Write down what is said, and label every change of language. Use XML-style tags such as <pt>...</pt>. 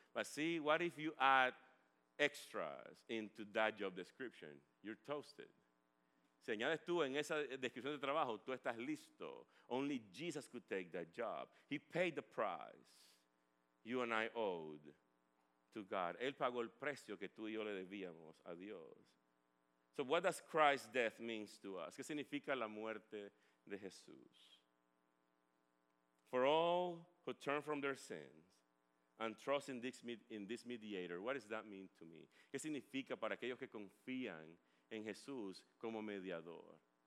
<en>But see, what if you add extras into that job description? You're toasted.</en> <es>Si añades tú en esa descripción de trabajo, tú estás listo.</es> <en>Only Jesus could take that job. He paid the price you and I owed to God.</en> <es>Él pagó el precio que tú y yo le debíamos a Dios.</es> <en>So what does Christ's death mean to us?</en> <es>¿Qué significa la muerte de Jesús?</es> <en>For all who turn from their sins and trust in this mediator, what does that mean to me?</en> <es>¿Qué significa para aquellos que confían en Jesús como mediador?</es>